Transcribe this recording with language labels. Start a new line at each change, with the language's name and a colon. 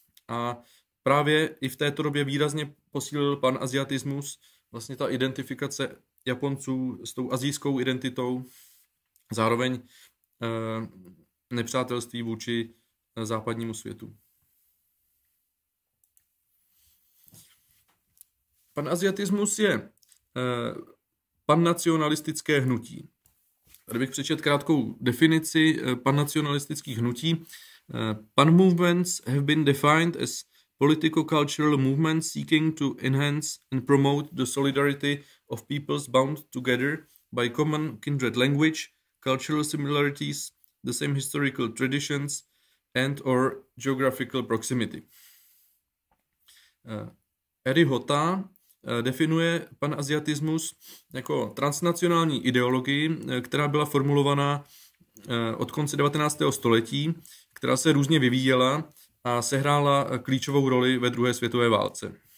Czech: A právě i v této době výrazně posílil panasiatismus, vlastně ta identifikace Japonců s tou asijskou identitou, zároveň nepřátelství vůči západnímu světu. Panasiatismus je pannacionalistické hnutí. Tady bych přečet krátkou definici pannacionalistických hnutí.
English: Pan movements have been defined as politico-cultural movements seeking to enhance and promote the solidarity of peoples bound together by common kindred language, cultural similarities, the same historical traditions and or geographical proximity.
Czech: Eri Hota definuje panasiatismus jako transnacionální ideologii, která byla formulovaná od konce 19. století, která se různě vyvíjela a sehrála klíčovou roli ve druhé světové válce.